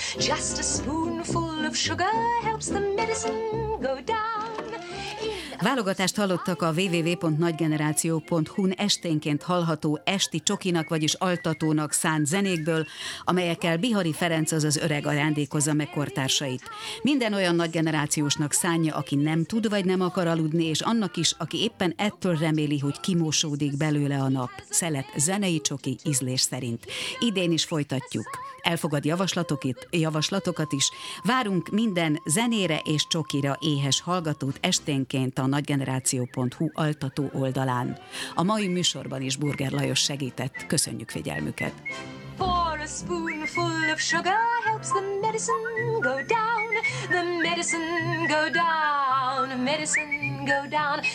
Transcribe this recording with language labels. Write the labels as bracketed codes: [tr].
[en] Just a spoonful of sugar helps the medicine go down. [hu] Válogatást hallottak a www.nagygeneráció.hu-n esténként hallható Esti Csokinak, vagyis Altatónak szánt zenékből, amelyekkel Bihari Ferenc, az öreg ajándékozza meg kortársait. Minden olyan nagygenerációsnak szánja, aki nem tud vagy nem akar aludni, és annak is, aki éppen ettől reméli, hogy kimosódik belőle a nap. Szelet zenei csoki ízlés szerint. Idén is folytatjuk. Elfogad javaslatokat is. Várunk minden zenére és csokira éhes hallgatót esténként a nagygeneráció.hu altató oldalán. A mai műsorban is Burger Lajos segített. Köszönjük figyelmüket! [en] For a spoonful of sugar helps the medicine go down, the medicine go down, medicine go down.